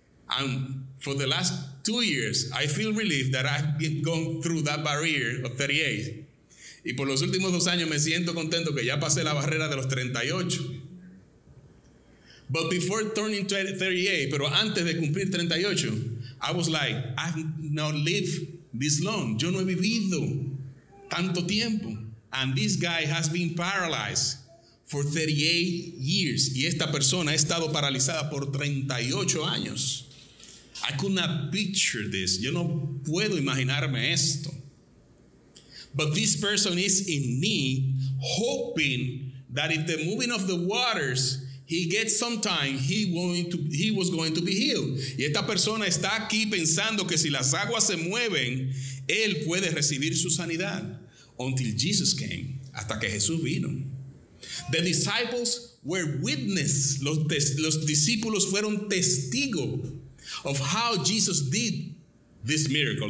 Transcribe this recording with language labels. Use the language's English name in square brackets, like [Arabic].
[English] And for the last 2 years, I feel relieved that I've gone through that barrier of 38. [Spanish] Y por los últimos 2 años me siento contento que ya pasé la barrera de los 38. [English] But before turning 38, [Spanish] pero antes de cumplir 38, [English] I was like, I've not lived this long. [Spanish] Yo no he vivido tanto tiempo. [English] And this guy has been paralyzed for 38 years. [Spanish] Y esta persona ha estado paralizada por 38 años. [English] I could not picture this. [Spanish] Yo no puedo imaginarme esto. [English] But this person is in need, hoping that if the moving of the waters, he gets some time, he was going to be healed. [Spanish] Y esta persona está aquí pensando que si las aguas se mueven, él puede recibir su sanidad. [English] Until Jesus came, [Spanish] hasta que Jesús vino. [English] The disciples were witness. [Spanish] Los discípulos fueron testigo [English] of how Jesus did this miracle.